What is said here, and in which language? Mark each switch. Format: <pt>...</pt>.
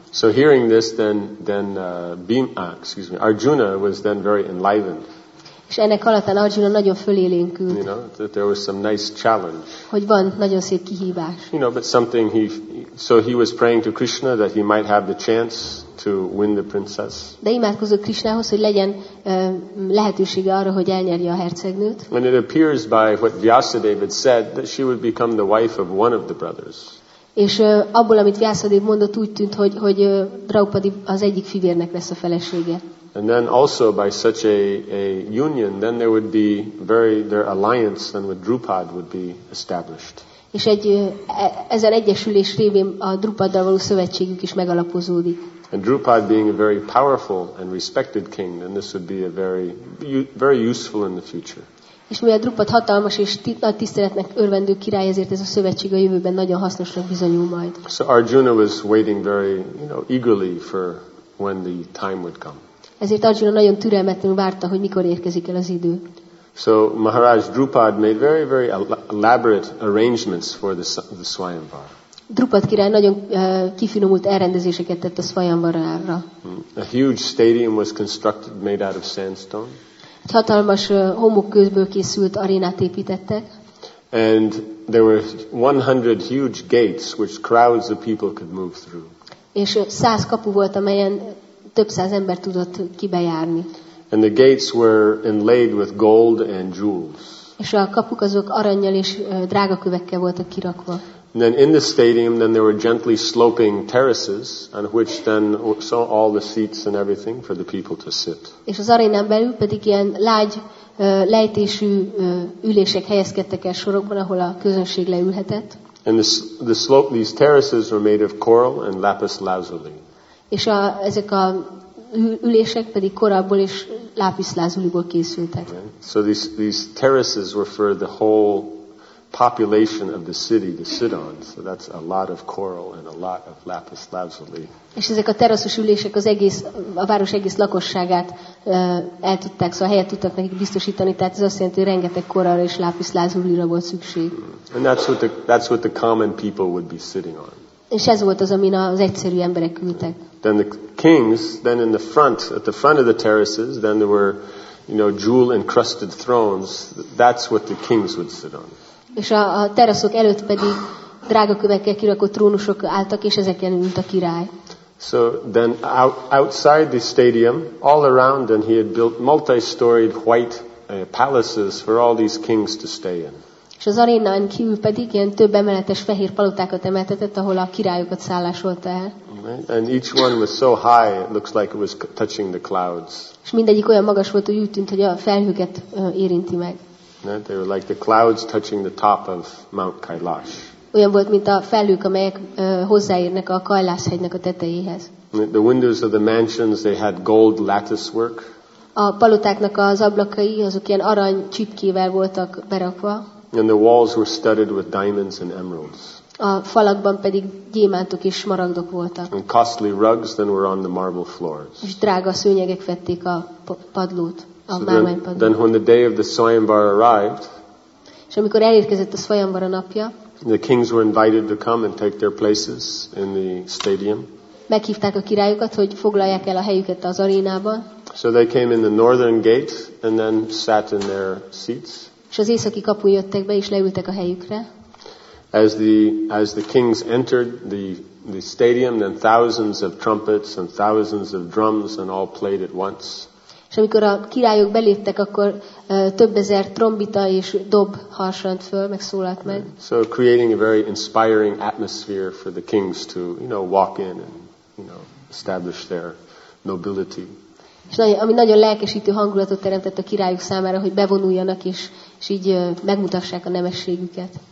<en>So hearing this, then Arjuna was then very enlivened.</en> <hu>És ennek alatt Arjuna nagyon fölélénkült.</hu> <en>You know, that there was some nice challenge.</en> <hu>Hogy van nagyon szép kihívás.</hu> <en>You know, but something he was praying to Krishna that he might have the chance to win the princess.</en> <hu>De imádkozott Krishnához, hogy legyen lehetősége arra, hogy elnyerje a hercegnőt.</hu> <en>When it appears by what Vyasa David said that she would become the wife of one of the brothers.</en> <hu>És abból, amit Vyasadev mondott, úgy tűnt, hogy Draupadi az egyik fivérnek lesz a felesége.</hu> <en>And then also by such a union, then there would be very their alliance then with Drupad would be established.</en> <hu>És egy ezen egyesülés révén a Drupaddal való szövetségük is megalapozódik.</hu> <en>And Drupad being a very powerful and respected king, then this would be a very very useful in the future.</en> <hu>És mivel Drupad hatalmas és nagy tiszteletnek örvendő király, ezért ez a szövetség a jövőben nagyon hasznosnak bizonyul majd.</hu> <en>So Arjuna was waiting very, you know, eagerly for when the time would come.</en> <hu>Ezért Arjuna nagyon türelmetlenül várta, hogy mikor érkezik el az idő.</hu> <en>So Maharaj Drupad made very very elaborate arrangements for the Svayamvara.</en> <hu>Drupad király nagyon kifinomult elrendezéseket tett a Svayamvarára.</hu> <en>A huge stadium was constructed made out of sandstone.</en> <hu>Egy hatalmas homokkőzből készült arénát építettek.</hu> <en>And there were 100 huge gates which crowds of people could move through.</en> <hu>És 100 kapu volt, amelyen több száz ember tudott kibejárni.</hu> <en>And the gates were inlaid with gold and jewels.</en> <hu>És a kapuk azok arannyal és drága kövekkel voltak kirakva.</hu> <en>And then in the stadium then there were gently sloping terraces on which then so all the seats and everything for the people to sit.</en> <hu>És az arénán belül pedig ilyen lágy lejtésű ülések helyezkedtek el sorokban, ahol a közönség leülhetett.</hu> <en>And these terraces were made of coral and lapis lazuli.</en> <hu>És ezek a ülések pedig korallból és lápis lazuliból készültek.</hu> <en>So these terraces were for the whole population of the city to sit on, so that's a lot of coral and a lot of lapis lazuli.</en> <hu>És ezek a teraszos ülések az egész a város egész lakosságát el tudták, szóval helyet tudtak nekik biztosítani, tehát ez azt jelenti, hogy rengeteg korallra és lápis lazulira volt szükség.</hu> <en>And that's what the common people would be sitting on.</en> <hu>És ez volt az, amin az egyszerű emberek ültek.</hu> <en>Then the kings, then in the front, at the front of the terraces, then there were, you know, jewel encrusted thrones. That's what the kings would sit on.</en> <hu>És a teraszok előtt pedig drága kövekkel kirakott trónusok álltak, és ezeken ült a király.</hu> <en>So then outside the stadium, all around, and he had built multi-storied white palaces for all these kings to stay in.</en> <hu>És az arénán kívül pedig ilyen több emeletes fehér palotákat emeltetett, ahol a királyokat szállásolta el.</hu> <en>And each one was so high, it looks like it was touching the clouds.</en> <hu>És mindegyik olyan magas volt, hogy úgy tűnt, hogy a felhőket érinti meg.</hu> <en>They were like the clouds touching the top of Mount Kailash.</en> <hu>Olyan volt, mint a felhők, amelyek hozzáérnek a Kailash hegynek a tetejéhez.</hu> <en>The windows of the mansions, they had gold lattice work.</en> <hu>A palotáknak az ablakai, azok ilyen arany csipkével voltak berakva.</hu> <en>And the walls were studded with diamonds and emeralds.</en> <hu>A falakban pedig gyémántok és smaragdok voltak.</hu> <en>And costly rugs then were on the marble floors.</en> <hu>És drága szőnyegek fették a padlót.</hu> <en>Then when the day of the Svayamvara arrived,</en> <hu>és amikor elérkezett a Svayamvara napja,</hu> <en>the kings were invited to come and take their places in the stadium.</en> <hu>Meghívták a királyokat, hogy foglalják el a helyüket az arénában.</hu> <en>So they came in the northern gate and then sat in their seats.</en> <hu>És az északi kapun jöttek be és leültek a helyükre.</hu> <en>As the kings entered the stadium, then thousands of trumpets and thousands of drums and all played at once.</en> <hu>És amikor a királyok beléptek, akkor több ezer trombita és dob harsant föl, megszólalt meg.</hu> <en>So creating a very inspiring atmosphere for the kings to, you know, walk in and, you know, establish their nobility.</en> <hu>És nagyon, ami nagyon lelkesítő hangulatot teremtett a királyok számára, hogy bevonuljanak és így megmutassák a nemességüket.</hu>